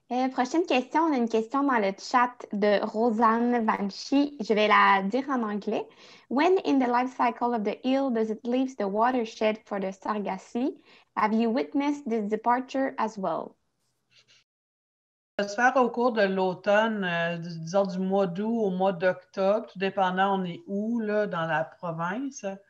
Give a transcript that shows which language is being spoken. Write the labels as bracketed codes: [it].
[fr] Prochaine question, on a une question dans le chat de Rosanne Vanshi. Je vais la dire en anglais. [en] When in the life cycle of the eel does it leave the watershed for the Sargassi? Have you witnessed this departure as well? [fr] Ça se fait au cours de l'automne, disons du mois d'août au mois d'octobre, tout dépendant on est où là, dans la province.